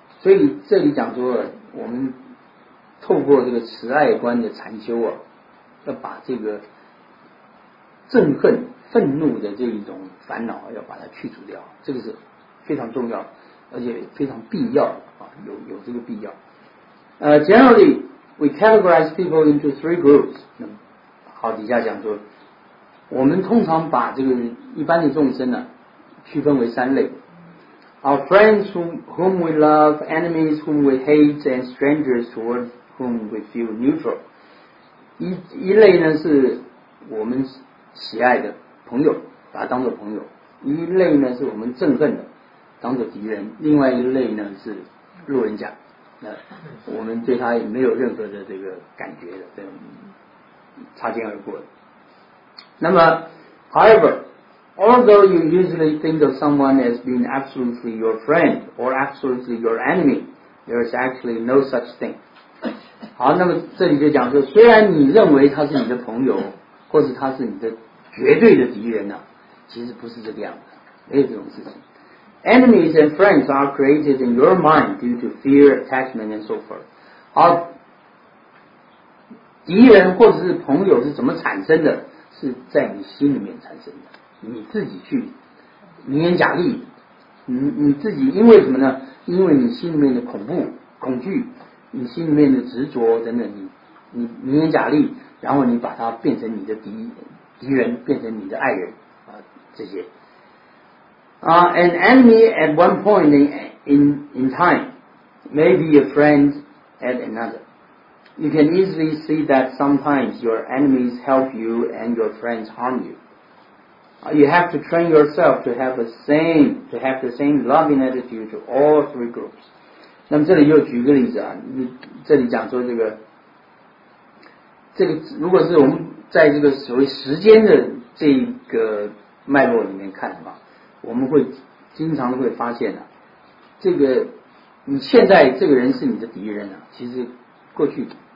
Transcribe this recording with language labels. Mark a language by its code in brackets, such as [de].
[zh] 所以这里讲说，我们透过这个慈爱观的禅修啊，要把这个憎恨、愤怒的这一种烦恼要把它去除掉，这个是非常重要而且非常必要啊，有这个必要。 [en] Generally, we categorize people into three groups. [zh] 那好，底下讲说，我们通常把这个一般的众生呢区分为三类。 [en] Our friends whom we love, enemies whom we hate, and strangers toward whom we feel neutral. [zh] 一类呢是我们喜爱的朋友，把他当作朋友；一类呢是我们憎恨的，当作敌人；另外一类呢是路人甲，那我们对他也没有任何的这个感觉的，这种擦肩而过的。那么 [en] ，however， although you usually think of someone as being absolutely your friend or absolutely your enemy， there is actually no such thing。 [zh] 好，那么这里就讲说，虽然你认为他是你的朋友，或是他是你的绝对的敌人啊，其实不是这个样子，没有这种事情。 [en] Enemies and friends are created in your mind due to fear, attachment, and so forth. [zh] 而敌人或者是朋友是怎么产生的？是在你心里面产生的，你自己去名言假意，你自己因为什么呢？因为你心里面的恐怖、恐惧，你心里面的执着等等，你名言假意，然后你把它变成你的敌人变成你的爱人啊，这些啊、 [en] an enemy at one point in time may be a friend at another. You can easily see that sometimes your enemies help you and your friends harm you.、You have to train yourself to have the same loving attitude to all three groups. [zh] 那么这里又举个例子啊，这里讲说这个如果是我们在这个所谓时间的这个脉络里面看什么，我们会经常会发现啊，这个你现在这个人是你的敌人啊，其实过去